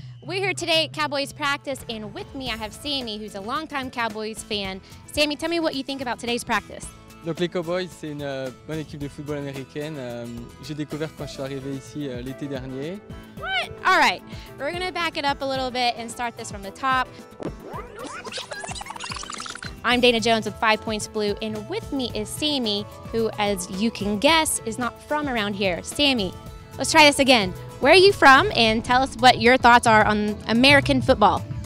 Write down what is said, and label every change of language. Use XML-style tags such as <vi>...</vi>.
<en>We're here today at Cowboys practice, and with me I have Samy, who's a longtime Cowboys fan. Samy, tell me what you think about today's practice.</en> <fr>Donc les Cowboys, c'est une bonne équipe de football américaine. J'ai découvert quand je suis arrivé ici l'été dernier.</fr> <en>What? All right, we're gonna back it up a little bit and start this from the top. I'm Dana Jones with 5 Points Blue, and with me is Samy, who, as you can guess, is not from around here. Samy, let's try this again. Where are you from, and tell us what your thoughts are on American football.</en>